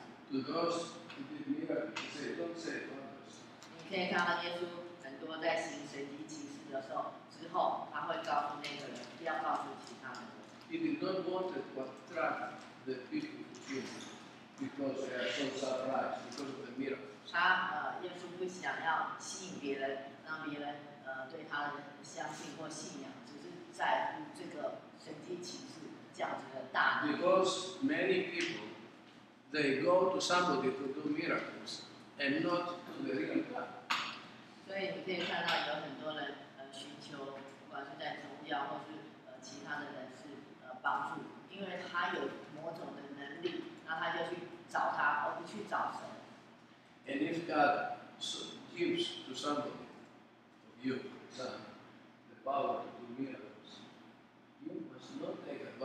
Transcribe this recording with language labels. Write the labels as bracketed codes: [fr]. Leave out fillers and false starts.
[en] To those who did miracles, say, don't say it on us. [zh] 你可以看到耶稣很多在行神迹奇事的时候，之后他会告诉那个人，不要告诉其他人。 [en] He did not want to attract the people to Jesus because they are so surprised because of the miracles. [zh] 他耶稣不想要吸引别人，让别人对他的相信或信仰，只是在乎这个神迹奇事。 [en] Because many people, they go to somebody to do miracles, and not to the real God. [zh] 所以你可以看到有很多人寻求，不管是在宗教或是其他的人士帮助，因为他有某种的能力，那他就去找他，而不去找神。 [en] And if God gives to somebody, to you, for example, the power to do miracles, you must not take.